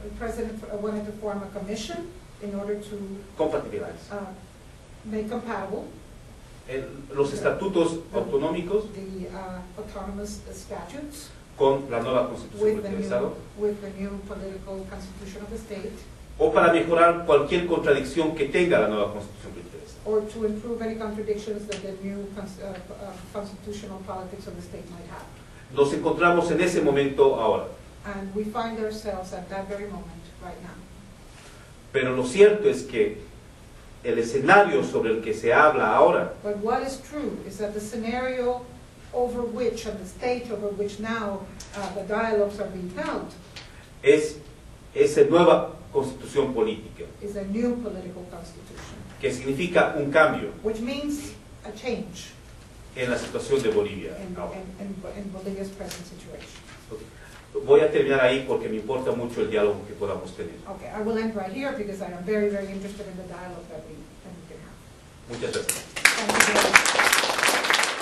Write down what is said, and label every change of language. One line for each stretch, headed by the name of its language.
English: The president wanted to form a commission in order to...
Spanish: Compatibilizar.
English: Make compatible...
Spanish: Los estatutos autonómicos...
English: The autonomous statutes...
Spanish: con la nueva constitución del Estado,
English: with the new political constitution of the state,
Spanish: o para mejorar cualquier contradicción que tenga la nueva constitución del Estado,
English: or to improve any contradictions that the new constitutional politics of the state might have.
Spanish: Nos encontramos en ese momento ahora.
English: And we find ourselves at that very moment right now.
Spanish: Pero lo cierto es que el escenario sobre el que se habla ahora,
English: but what is true is that the scenario over which, and the state over which now the dialogues are being held,
Spanish: es nueva constitución política,
English: is a new political constitution,
Spanish: que significa un cambio,
English: which means a change,
Spanish: en la situación de Bolivia,
English: in Bolivia's present situation. Okay.
Spanish: Voy a terminar ahí porque me importa mucho el diálogo que podamos tener.
English: Okay, I will end right here because I am very, very interested in the dialogue that we can have.
Spanish: Muchas gracias.
English: Thank you very much.